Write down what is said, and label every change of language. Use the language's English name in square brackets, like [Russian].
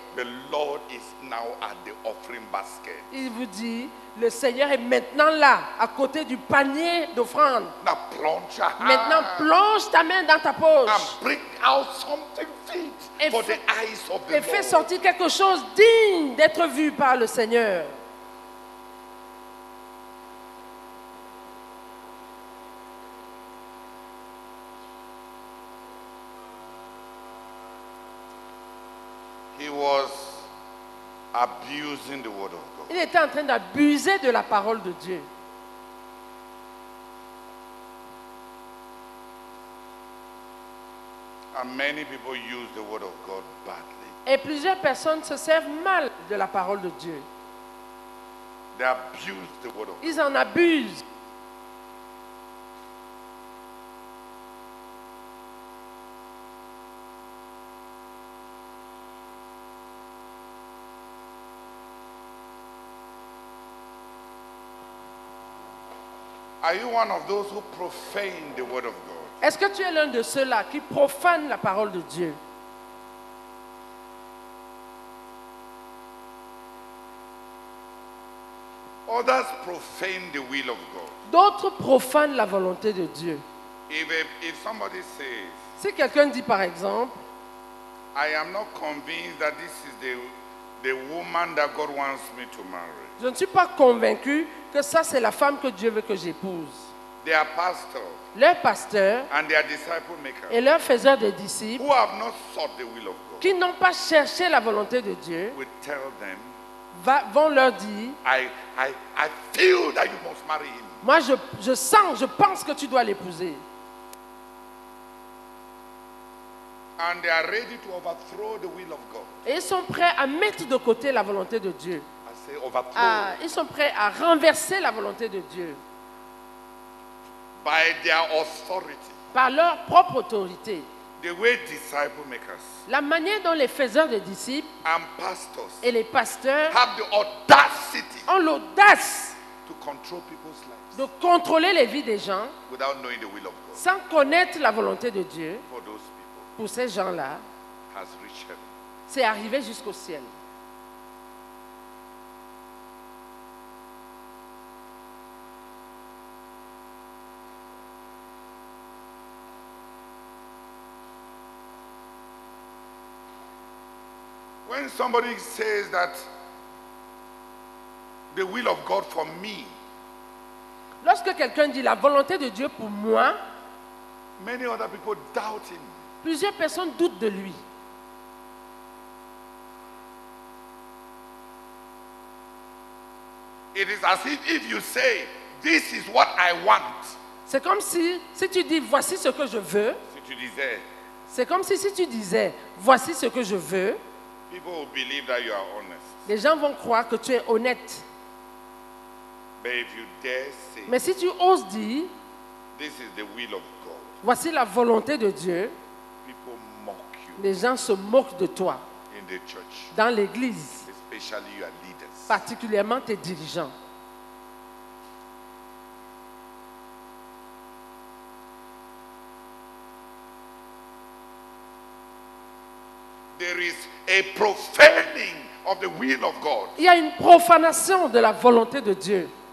[English] the Lord is now at the offering basket. [French] Il vous dit, le Seigneur est maintenant là, à côté du panier d'offrande. [English] Now plonge your hand. [French] Maintenant, plonge ta main dans ta poche. [English] And bring out something fit for the eyes of the Lord. [French] Et fais sortir quelque chose digne d'être vu par le Seigneur. [English] Abusing the word of God. [French] Il était en train d'abuser de la parole de Dieu. [English] And many people use the word of God badly. [French] Et plusieurs personnes se servent mal de la parole de Dieu. [English] They abuse the word of God. [French] Ils en abusent. [English] Are you one of those who profane the word of God? [French] Est-ce que tu es l'un de ceux-là qui profane la parole de Dieu? [English] Others profane the will of God. [French] D'autres profanent la volonté de Dieu. [English] If somebody says, [French] si quelqu'un dit par exemple, [English] I am not convinced that this is the woman that God wants me to marry. [French] Je ne suis pas convaincu que ça, c'est la femme que Dieu veut que j'épouse. [English] Their pastor, [French] leur pasteur [English] and their disciple maker, [French] et leur faiseur de disciples [English] who have not sought the will of God, [French] qui n'ont pas cherché la volonté de Dieu [English] will tell them, [French] vont leur dire [English] I feel that you must marry him. [French] Moi, je sens, je pense que tu dois l'épouser. [English] And they are ready to overthrow the will of God. [French] Et ils sont prêts à mettre de côté la volonté de Dieu. Ah, ils sont prêts à renverser la volonté de Dieu [English] by their authority, [French] par leur propre autorité. [English] The way disciple makers, [French] la manière dont les faiseurs de disciples [English] and pastors, [French] et les pasteurs [English] have the audacity, [French] ont l'audace [English] to control people's lives, [French] de contrôler les vies des gens [English] without knowing the will of God, [French] sans connaître la volonté de Dieu [English] for those people, [French] pour ces gens-là [English] has reached heaven. [French] C'est arrivé jusqu'au ciel. [English] When somebody says that the will of God for me, [French] lorsque quelqu'un dit la volonté de Dieu pour moi, [English] many other people doubt him. [French] Plusieurs personnes doutent de lui. [English] It is as if you say, this is what I want. [French] C'est comme si tu dis voici ce que je veux. Si tu disais, c'est comme si tu disais voici ce que je veux. [English] People will believe that you are honest. [French] Les gens vont croire que tu es honnête. [English] But if you dare say, [French] mais si tu oses dire, [English] this is the will of God, [French] voici la volonté de Dieu, [English] people mock you. [French] Les gens se moquent de toi [English] in the church, [French] dans l'église, [English] especially your leaders, [French] particulièrement tes dirigeants. [English] There is a profaning of the will of God. [French] Il y a une profanation de la volonté de Dieu.